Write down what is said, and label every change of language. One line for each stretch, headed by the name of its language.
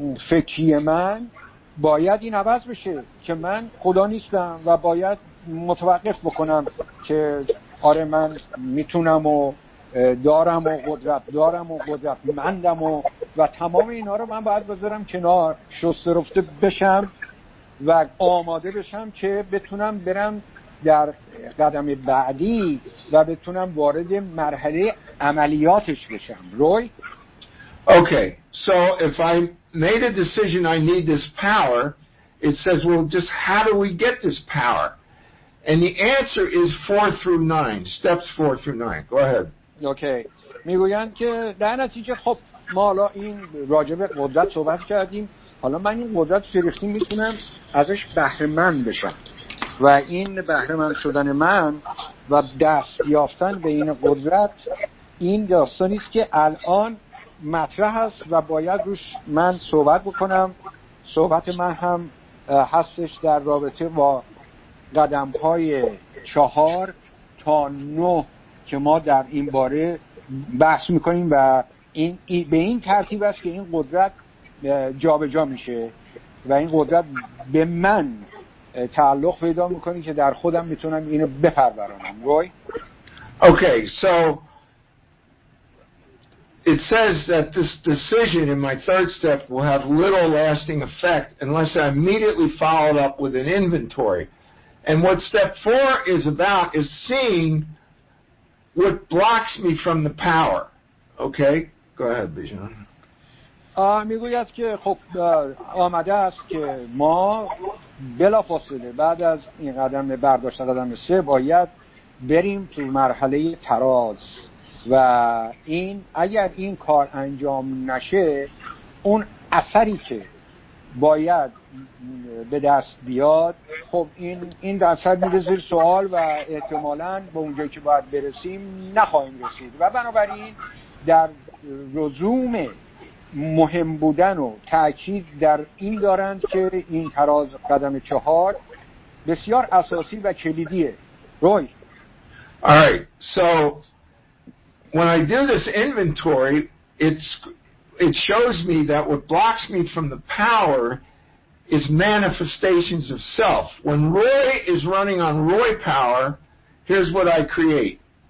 Persian: فکری من باید این عوض بشه که من خدا نیستم و باید متوقف بکنم که آره من میتونم و دارم و قدرت دارم و قدرت مندم و تمام اینا رو من باید بذارم کنار، شسته رفته بشم و آماده بشم که بتونم برم در قدم بعدی و بتونم وارد مرحله عملیاتش بشم. روی
English: Okay, so if I made a decision I need this power, it says, well, just how do we get this power? And the answer is 4-9, steps 4-9. Go ahead. Okay.
Persian: میگویند که در نتیجه خب ما حالا این راجب قدرت صحبت کردیم، حالا من این قدرت فریختیم میتونم ازش بهره‌مند بشم. و این بهره‌مند شدن من و دست یافتن به این قدرت، این داستانی است که الان مطرح است و باید روش من صحبت بکنم. صحبت من هم هستش در رابطه با قدم‌های 4 تا 9 که ما در این باره بحث می‌کنیم و این به این ترتیب است که این قدرت جابجا میشه و این قدرت به من تعلق پیدا می‌کنه که در خودم میتونم اینو بپرورانم. روی
English: Okay so It says that this decision in my third step will have little lasting effect unless I immediately follow it up with an inventory. And what step 4 is about is seeing what blocks me from the power. Okay? Go ahead, Bijan.
Persian: میگوید که خب آمده است که ما بلافاصله بعد از این قدم برداشت قدم 3 باید بریم تو مرحله تراز. و این اگر این کار انجام نشه، اون اثری که باید به دست بیاد، خب این اثر میره زیر سوال و احتمالاً به اونجای که باید برسیم نخواهیم رسید. و بنابراین در رزوم مهم بودن و تأکید در این دارند که این تراز قدم 4 بسیار اساسی و کلیدیه. روی
English: alright so when I do this inventory, it shows me that what blocks me from the power is manifestations of self. When Roy is running on Roy power, here's what I create.